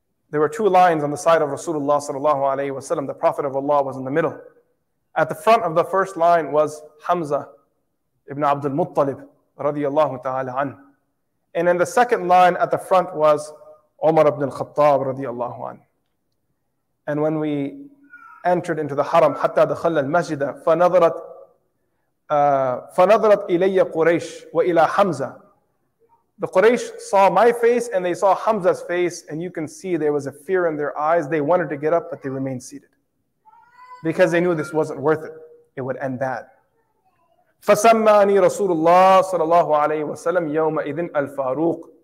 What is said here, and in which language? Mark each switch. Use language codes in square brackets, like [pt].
[en] There were two lines on the side of Rasulullah sallallahu alayhi wa sallam. The Prophet of Allah was in the middle. At the front of the first line was Hamza ibn Abdul Muttalib radiallahu ta'ala an. And in the second line at the front was Umar ibn al-Khattab radiallahu an. And when we entered into the haram, [ar] حتى دخل المسجد فنظرت إلي قريش وإلى حمزة. [en] The Quraysh saw my face and they saw Hamza's face, and you can see there was a fear in their eyes. They wanted to get up, but they remained seated because they knew this wasn't worth it. It would end bad. [ar] فَسَمَّانِي رَسُولُ اللَّهِ صَلَى اللَّهُ عَلَيْهِ وَسَلَمْ يَوْمَ إِذٍ الْفَارُوقِ.